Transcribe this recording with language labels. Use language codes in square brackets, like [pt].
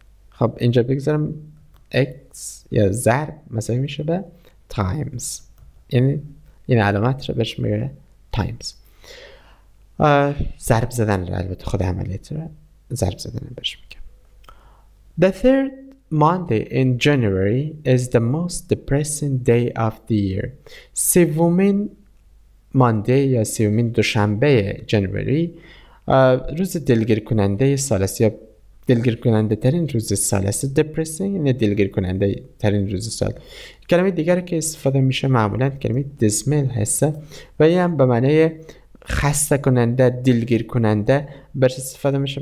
[fa] خب اینجا بگذارم x یا ضرب مثلا میشه به times، این علامت را بهش میگه times، ضرب زدن را البته خود عملیت را ضرب زدن بهش میگه. [en] The third Monday in January is the most depressing day of the year. [fa] سومین ماندی یا سومین دوشنبه جنوری روز دلگیر کننده سال است، یا دلگیر کننده ترین روز سال است. Depressing یعنی دلگیر کننده ترین روز سال. کلمه دیگر که استفاده میشه معمولا کلمه dismal هست و یه هم به معنی خسته کننده، دلگیر کننده برش استفاده میشه.